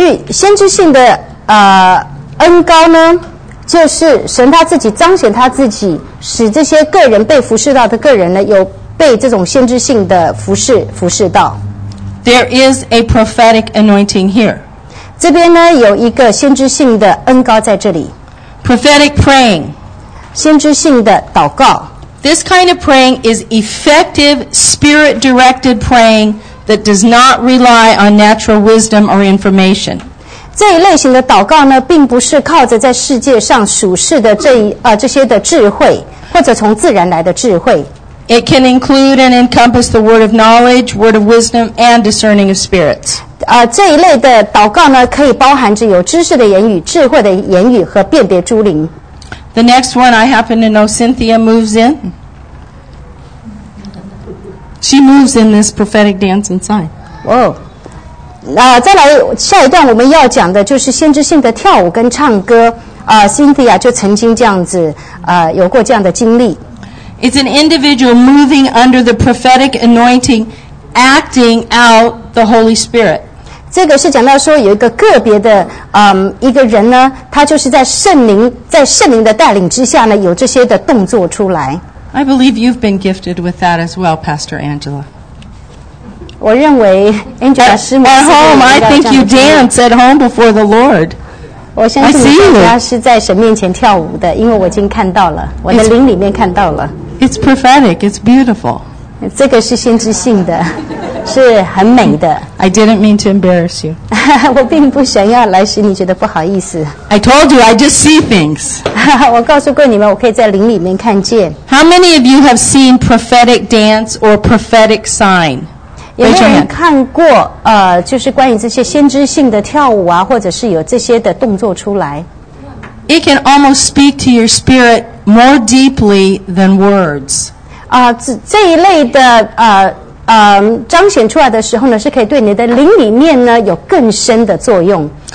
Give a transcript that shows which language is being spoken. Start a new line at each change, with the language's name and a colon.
Chinese: 先知性的恩膏呢，就是神他自己彰显他自己，使这些个人被服侍到的个人呢，有被这种先知性的服侍到。
English: There is a prophetic anointing here.
Chinese: 这边呢有一个先知性的恩膏在这里。
English: Prophetic praying.
Chinese: 先知性的祷告。
English: This kind of praying is effective, spirit-directed praying that does not rely on natural wisdom or information.
Chinese: 这一类型的祷告呢，并不是靠着在世界上属世的这些的智慧，或者从自然来的智慧。
English: It can include and encompass the word of knowledge, word of wisdom, and discerning of spirits.
Chinese: 这一类的祷告呢，可以包含着有知识的言语、智慧的言语和辨别诸灵。
English: The next one I happen to know, Cynthia moves in. She moves in this prophetic dance inside. Whoa.
Chinese: 再来下一段我们要讲的就是先知性的跳舞跟唱歌Cynthia 就曾经这样子有过这样的经历
English: It's an individual moving under the prophetic anointing acting out the Holy Spirit
Chinese: 这个是讲到说有一个个别的一个人呢他就是在圣灵的带领之下呢有这些的动作出来
English: I believe you've been gifted with that as well Pastor Angela
Chinese: 我认为 Angela 师母
English: at home, I think you dance at home before the Lord.
Chinese: 我相信你家是在神面前跳舞的，因为我已经看到了，我的灵里面看到了。
English: It's prophetic. It's beautiful.
Chinese: 这个是先知性的，是很美的。
English: I didn't mean to embarrass you.
Chinese: 我并不想要来使你觉得不好意思。
English: I told you, I just see things.
Chinese: 我告诉过你们，我可以在灵里面看见。
English: How many of you have seen prophetic dance or prophetic sign?
Chinese: 有没有人看过就是关于这些先知性的跳舞啊或者是有这些的动作出来
English: It can almost speak to your spirit more deeply than words
Chinese: 这一类的彰显出来的时候呢是可以对你的灵里面呢有更深的作用